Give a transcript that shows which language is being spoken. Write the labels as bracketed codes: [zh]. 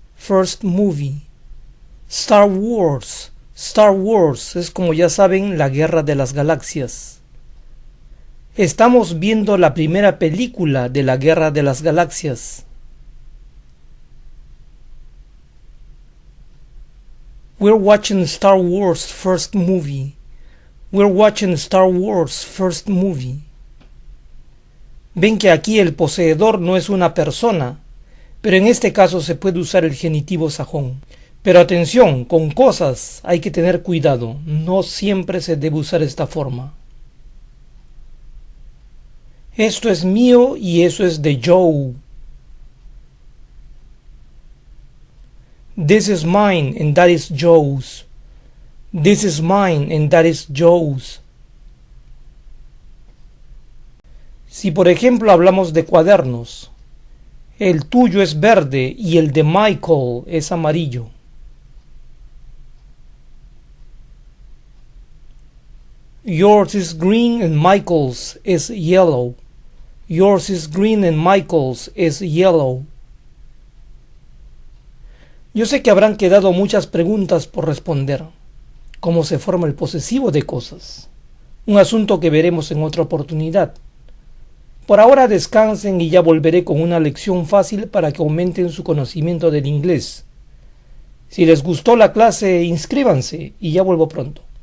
[en] First movie. Star Wars. [es] Star Wars es, como ya saben, la Guerra de las Galaxias. Estamos viendo la primera película de la Guerra de las Galaxias. [en] We're watching Star Wars first movie. We're watching Star Wars first movie. [es] Ven que aquí el poseedor no es una persona, pero en este caso se puede usar el genitivo sajón. Pero atención, con cosas hay que tener cuidado. No siempre se debe usar esta forma. Esto es mío y eso es de Joe. [en] This is mine and that is Joe's. This is mine and that is Joe's. [es] Si por ejemplo hablamos de cuadernos, el tuyo es verde y el de Michael es amarillo. [en] Yours is green and Michael's is yellow. Yours is green and Michael's is yellow. [es] Yo sé que habrán quedado muchas preguntas por responder. ¿Cómo se forma el posesivo de cosas? Un asunto que veremos en otra oportunidad. Por ahora descansen y ya volveré con una lección fácil para que aumenten su conocimiento del inglés. Si les gustó la clase, inscríbanse y ya vuelvo pronto.